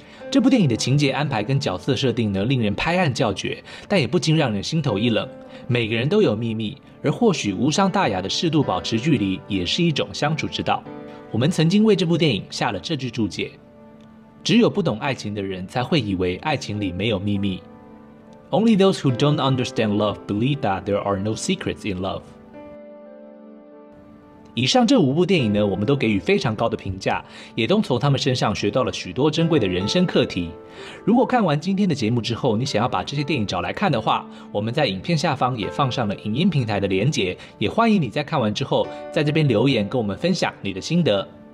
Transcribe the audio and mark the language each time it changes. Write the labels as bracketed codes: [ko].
[zh] 这部电影的情节安排跟角色设定呢，令人拍案叫绝，但也不禁让人心头一冷。每个人都有秘密，而或许无伤大雅的适度保持距离，也是一种相处之道。我们曾经为这部电影下了这句注解：只有不懂爱情的人才会以为爱情里没有秘密。 [en] Only those who don't understand love believe that there are no secrets in love. [zh] 以上这五部电影呢，我们都给予非常高的评价，也都从他们身上学到了许多珍贵的人生课题。如果看完今天的节目之后，你想要把这些电影找来看的话，我们在影片下方也放上了影音平台的连结，也欢迎你在看完之后，在这边留言跟我们分享你的心得。